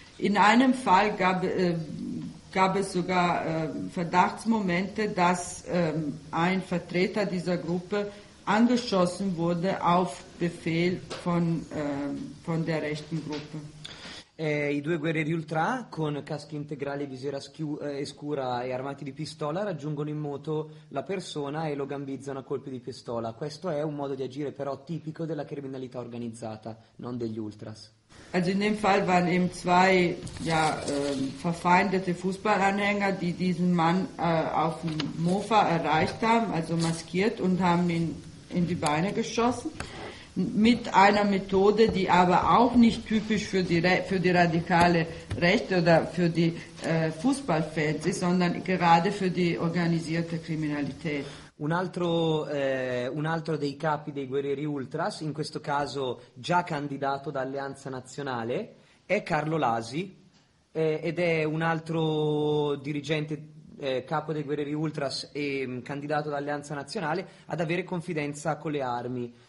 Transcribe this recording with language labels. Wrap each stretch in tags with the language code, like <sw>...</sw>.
<de>In einem Fall gab es sogar Verdachtsmomente, dass ein Vertreter dieser Gruppe angeschossen wurde auf Befehl von der rechten Gruppe.</de> <it>I due guerrieri ultra con caschi integrali, visiera scura e armati di pistola raggiungono in moto la persona e lo gambizzano a colpi di pistola. Questo è un modo di agire però tipico della criminalità organizzata, non degli ultras.</it> <de>Also in dem Fall waren eben zwei verfeindete Fußballanhänger, die diesen Mann auf dem Mofa erreicht haben, also maskiert, und haben ihn in die Beine geschossen. Mit einer Methode, die aber auch nicht typisch für die radikale Rechte oder für die Fußballfans ist, sondern gerade für die organisierte Kriminalität.</de> <it>Un altro dei capi dei guerrieri ultras, in questo caso già candidato da Alleanza Nazionale, è Carlo Lasi, ed è un altro dirigente capo dei guerrieri ultras e candidato da Alleanza Nazionale ad avere confidenza con le armi.</it>